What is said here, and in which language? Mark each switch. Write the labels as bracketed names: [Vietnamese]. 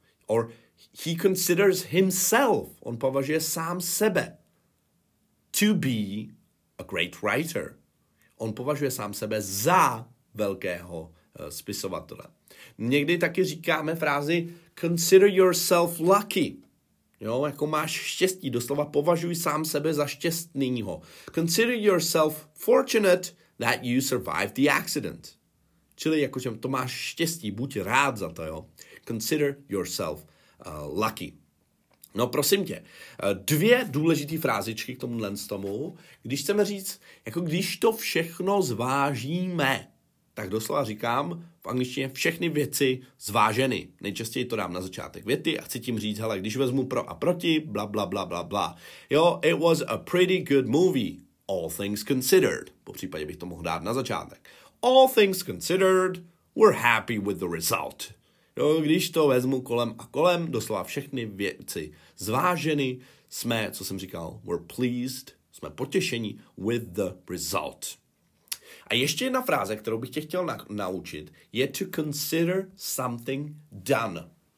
[English] Or he considers himself, [Czech] on považuje sám sebe, [English] to be a great writer. [Czech] On považuje sám sebe za velkého spisovatele. Někdy taky říkáme frázi [English] consider yourself lucky. [Czech] Jo, jako máš štěstí, doslova považuj sám sebe za šťastného. [English] Consider yourself fortunate that you survived the accident. [Czech] Čili jakože to máš štěstí, buď rád za to, jo. [English] Consider yourself lucky. [Czech] No prosím tě, dvě důležitý frázičky k tomuhle z tomu, když chceme říct, jako když to všechno zvážíme, tak doslova říkám v angličtině všechny věci zváženy. Nejčastěji to dám na začátek věty a chci tím říct, hele, když vezmu pro a proti, bla, bla, bla, bla, bla. Jo, [English] it was a pretty good movie, all things considered. [Czech] Popřípadě bych to mohl dát na začátek. [English] All things considered, we're happy with the result. [Czech] Jo, když to vezmu kolem a kolem, doslova všechny věci zváženy, jsme, co jsem říkal, [English] we're pleased, [Czech] jsme potěšení [English] with the result. [Czech] A ještě jedna fráze, kterou bych tě chtěl naučit, je to [English] consider something done.